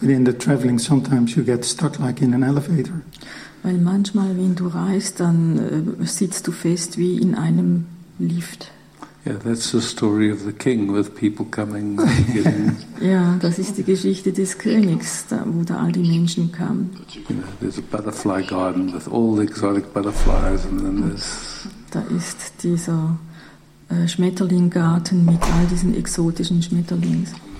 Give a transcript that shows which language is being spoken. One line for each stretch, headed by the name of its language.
English: Within the traveling, sometimes you get stuck like in an elevator.
German: Weil manchmal, wenn du reist, dann sitzt du fest wie in einem Lift.
English: Yeah, that's the story of the king with people coming.
German: Ja, das ist die Geschichte des Königs, da, wo da all die Menschen kamen.
English: Yeah, there's a butterfly garden with all the exotic butterflies, and then there's.
German: Da ist dieser Schmetterlinggarten mit all diesen exotischen Schmetterlings.